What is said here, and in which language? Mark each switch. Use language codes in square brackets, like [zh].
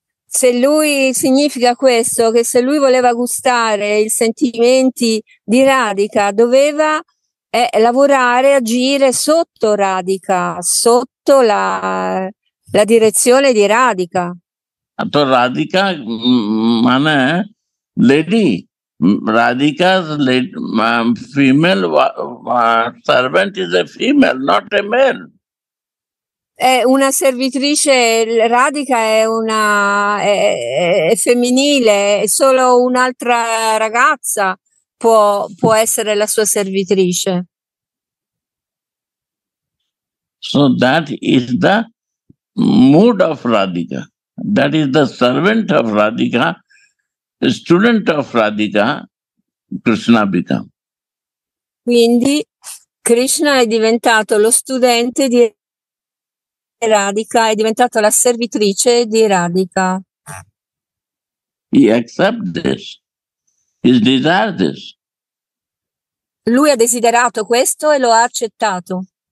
[it] Se lui significa questo, che se lui voleva gustare i sentimenti di Radhika, doveva è lavorare, agire sotto Radhika, sotto la, la direzione di Radhika. Atto Radhika, man è lady. [en] Radhika's lady, female servant is a female, not a male. [it] È una servitrice, Radhika è una è femminile, è solo un'altra ragazza può, può essere la sua servitrice. [en] So that is the mood of Radhika. That is the servant of Radhika, student of Radhika, Krishna become. [it] Quindi Krishna è diventato lo studente di Radhika, è diventata la servitrice di Radhika. [en] He accept this. He desired this. [it] Lui ha desiderato questo e lo ha accettato.